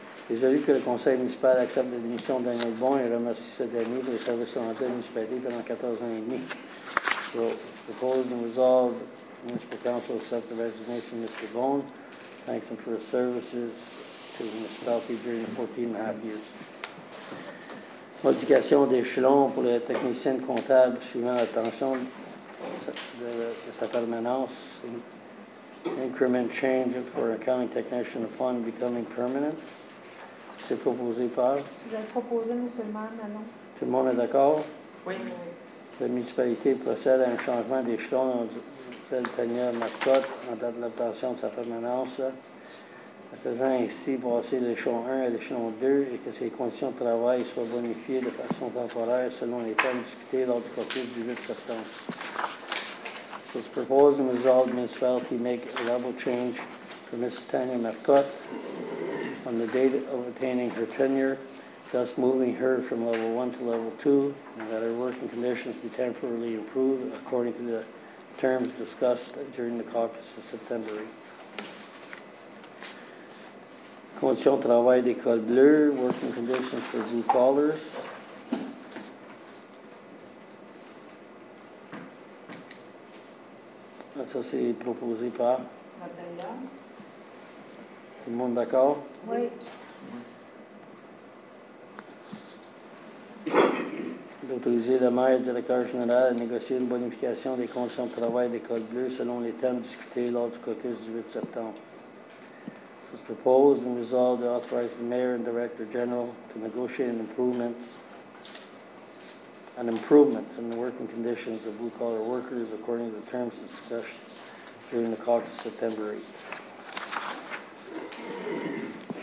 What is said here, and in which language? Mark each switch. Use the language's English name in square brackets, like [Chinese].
[French] Résolu que le conseil municipal accepte la démission de Daniel Bon et remercie ce dernier pour les services de santé de la municipalité pendant 14 ans et demi. [English] So, propose and resolve the municipal council accept the resignation of Mr. Bon. Thanks him for his services to the municipality during the 14 and a half years. [French] Modification d'échelon pour les techniciens comptables suivant l'attention de sa permanence. [English] Increment change for accounting technician upon becoming permanent. [French] C'est proposé par? Je vais le proposer, M. le maire, Manon. Tout le monde est d'accord? Oui. La municipalité procède à un changement d'échelon dans celle Tania Marcotte en date de l'obtention de sa permanence. En faisant ainsi passer l'échelon 1 à l'échelon 2 et que ses conditions de travail soient bonifiées de façon temporaire selon les termes discutés lors du caucus du 8 septembre. [English] So it's proposed and resolved the municipality make a level change for Mrs. Tania Marcotte on the date of attaining her tenure, thus moving her from level 1 to level 2, and that her working conditions be temporarily improved according to the terms discussed during the caucus of September 8th. [French] Conditions de travail des cols bleus, [English] working conditions for blue collars. [French] Ça, c'est proposé par? Tout le monde d'accord? Oui. D'autoriser le maire et le directeur général à négocier une bonification des conditions de travail des cols bleus selon les termes discutés lors du caucus du 8 septembre. [English] This is proposed and resolved to authorize the mayor and director general to negotiate an improvement in the working conditions of blue collar workers according to the terms discussed during the caucus September 8th.